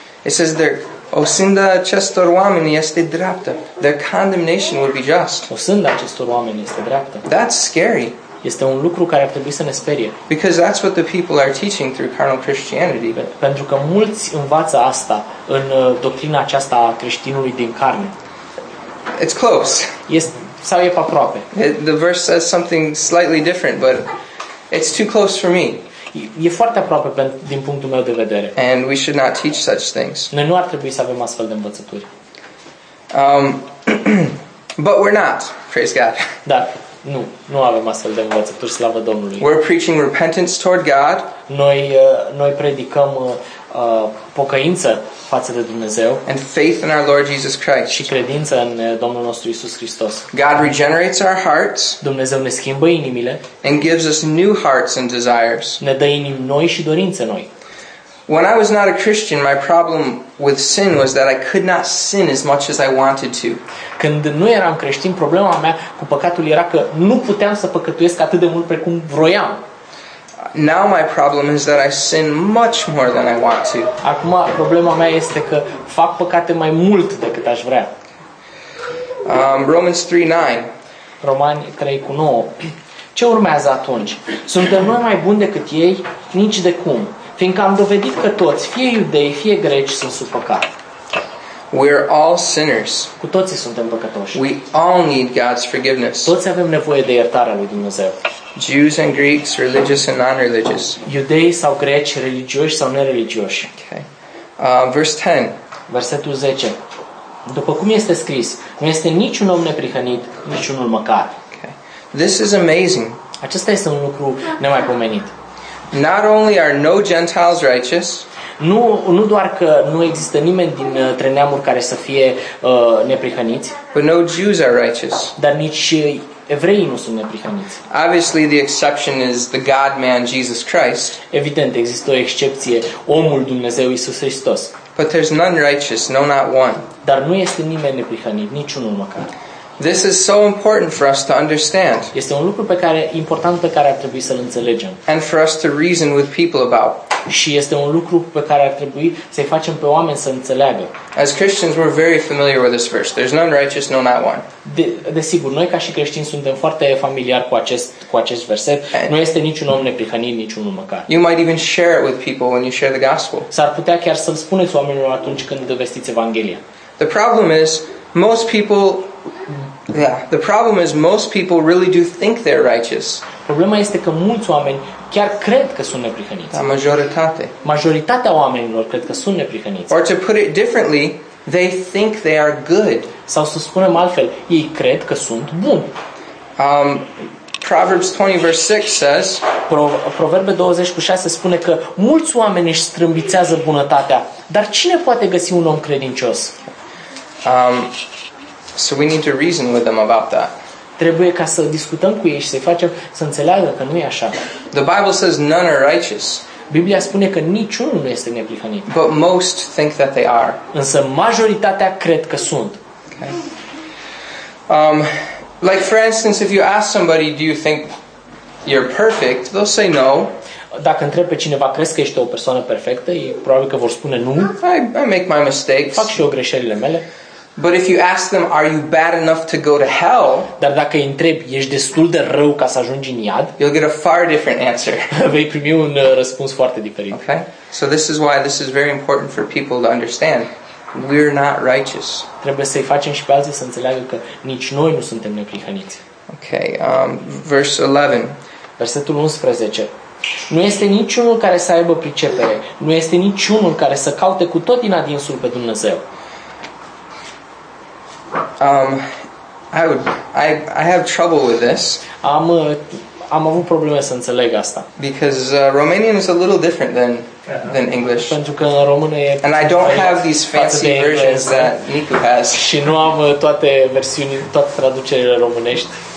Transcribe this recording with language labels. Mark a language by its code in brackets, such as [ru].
[en] It says there, [ro] osânda acestor oameni este dreaptă. [en] Their condemnation would be just. [ro] Osânda acestor oameni este dreaptă. [en] That's scary. [ro] Este un lucru care ar trebui să ne sperie. [en] Because that's what the people are teaching through carnal Christianity. [ro] Pentru că mulți învață asta în doctrina aceasta a creștinului din carne. [en] It's close. [ro] Sau e pe aproape. [en] The verse says something slightly different, but it's too close for me. [ro] E foarte aproape din punctul meu de vedere. [en] And we should not teach such things. [ro] Noi nu ar trebui să avem astfel de învățături. [en] But we're not, praise God. [ro] Da. Nu avem astfel de învățături, slavă Domnului. [en] We're preaching repentance toward God. [ro] Noi predicăm pocăință față de Dumnezeu. [en] And faith in our Lord Jesus Christ. [ro] Și credință în Domnul nostru Iisus Hristos. [en] God regenerates our hearts. [ro] Dumnezeu ne schimbă inimile. [en] And gives us new hearts and desires. [ro] Ne dă inimi noi și dorințe noi. [en] When I was not a Christian, my problem with sin was that I could not sin as much as I wanted to. [ro] Când nu eram creștin, problema mea cu păcatul era că nu puteam să păcătuiesc atât de mult precum vroiam. [en] Now my problem is that I sin much more than I want to. [ro] Acum problema mea este că fac păcate mai mult decât aș vrea. [en] Romans 3:9. [ro] Romani 3:9. Ce urmează atunci? Suntem noi mai buni decât ei? Nici de cum. Fiindcă am dovedit că toți, fie iudei, fie greci, sunt sub păcat. [en] We're all sinners. [ro] Cu toții suntem păcătoși. [en] We all need God's forgiveness. [ro] Toți avem nevoie de iertarea lui Dumnezeu. [en] Jews and Greeks, religious and non-religious. [ro] Iudei sau greci, religioși sau nereligioși. [en] Okay. Verse 10. [ro] Versetul 10. După cum este scris, nu este niciun om neprihănit, niciunul măcar. [en] Okay. This is amazing. [ro] Acesta este un lucru nemaipomenit. [en] Not only are no Gentiles righteous, [ro] Nu doar că nu există nimeni din neamuri care să fie neprihăniți. [en] But no Jews are righteous. [ro] Dar nici evreii nu sunt neprihăniți. [en] Obviously the exception is the God man Jesus Christ. [ro] Evident există o excepție, omul Dumnezeu Iisus Hristos. [en] But there's none righteous, no not one. [ro] Dar nu este nimeni neprihănit, niciunul măcar. [en] This is so important for us to understand. [ro] Este un lucru important pe care ar trebui să-l înțelegem. [en] And for us to reason with people about. [ro] Și este un lucru pe care ar trebui să-i facem pe oameni să înțeleagă. [en] As Christians, we're very familiar with this verse. There's none righteous, no not one. [ro] Desigur, noi ca și creștini suntem foarte familiar cu acest verset. Nu este niciun om neprihănit, niciunul măcar. [en] You might even share it with people when you share the gospel. [ro] S-ar putea chiar să-l spuneți oamenilor atunci când vestiți evanghelia. [en] The problem is most people the problem is most people really do think they're righteous. [ro] Problema este că mulți oameni chiar cred că sunt neprihăniți. Majoritatea oamenilor cred că sunt neprihăniți. [en] Or to put it differently, they think they are good. [ro] Sau să spunem altfel, ei cred că sunt buni. [en] Proverbs 20 verse 6 says, [ro] Proverbe 20:6 spune că mulți oameni își strâmbițează bunătatea, dar cine poate găsi un om credincios? [en] So we need to reason with them about that. [ro] Trebuie ca să discutăm cu ei și să-i facem să înțeleagă că nu e așa. [en] The Bible says none are righteous. [ro] Biblia spune că niciunul nu este neprihănit. [en] But most think that they are. [ro] Însă majoritatea cred că sunt. [en] Okay. Like for instance, if you ask somebody, do you think you're perfect? They'll say no. [ro] Dacă întreb pe cineva, crezi că ești o persoană perfectă? E probabil că vor spune nu. [en] I make my mistakes. [ro] Fac și eu greșelile mele. [en] But if you ask them, are you bad enough to go to hell? [ro] Dar dacă îi întrebi, ești destul de rău ca să ajungi în iad? [en] You'll get a far different answer. [ro] Vei primi un răspuns foarte diferit. [en] Okay? So this is why this is very important for people to understand. We're not righteous. [ro] Trebuie să-i facem și pe alții să înțeleagă că nici noi nu suntem neprihăniți. [en] Okay, verse 11. [ro] Versetul 11. Nu este niciunul care să aibă pricepere. Nu este niciunul care să caute cu tot din adinsul pe Dumnezeu. [en] I have trouble with this. [ro] Am avut probleme să înțeleg asta. [en] Because Romanian is a little different than English. [ro] Pentru că în română e. [en] And I don't have these fancy versions that Nicu has. [ro] Și nu am toate versiunile, toate traducerile românești.